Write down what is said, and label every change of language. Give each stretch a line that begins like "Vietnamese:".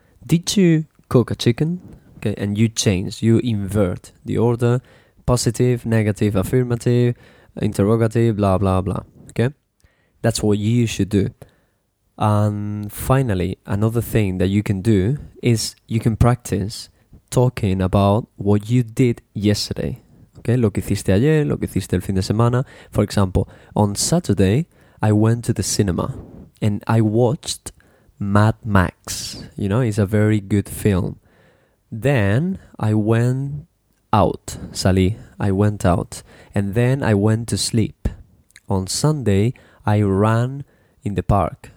English: Did you cook a chicken, okay, and you change, you invert the order, positive, negative, affirmative, interrogative, blah, blah, blah, okay? That's what you should do. And finally, another thing that you can do is you can practice talking about what you did yesterday, okay?
Spanish: Lo que hiciste ayer, lo que hiciste el fin de semana.
English: For example, on Saturday, I went to the cinema and I watched Mad Max, you know, it's a very good film. Then I went out, salí, I went out. And then I went to sleep. On Sunday, I ran in the park.